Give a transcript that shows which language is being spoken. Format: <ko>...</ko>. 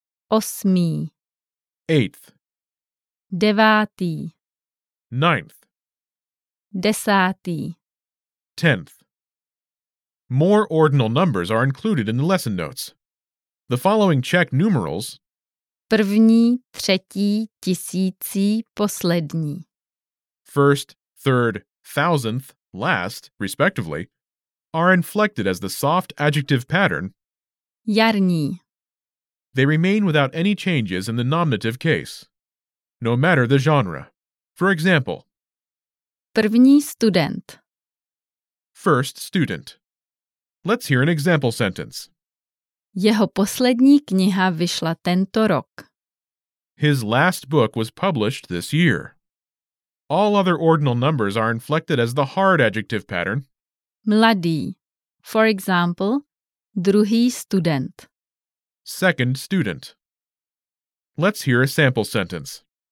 <cs>Osmý.</cs> <en>Eighth.</en> <cs>Devátý.</cs> <en>Ninth.</en> <cs>Desátý.</cs> <en>Tenth. More ordinal numbers are included in the lesson notes. The following Czech numerals:</en> <cs>první, třetí, tisící, poslední.</cs> <en>First, third, thousandth, last, respectively, are inflected as the soft adjective pattern</en> <cs>jarní.</cs> <en>They remain without any changes in the nominative case, no matter the genre. For example,</en> <cs>první student.</cs> <en>First student. Let's hear an example sentence.</en> <cs>Jeho poslední kniha vyšla tento rok.</cs> <en>His last book was published this year. All other ordinal numbers are inflected as the hard adjective pattern.</en> <cs>Mladý.</cs> <en>For example,</en> <cs>druhý student.</cs> <en>Second student. Let's hear a sample sentence.</en>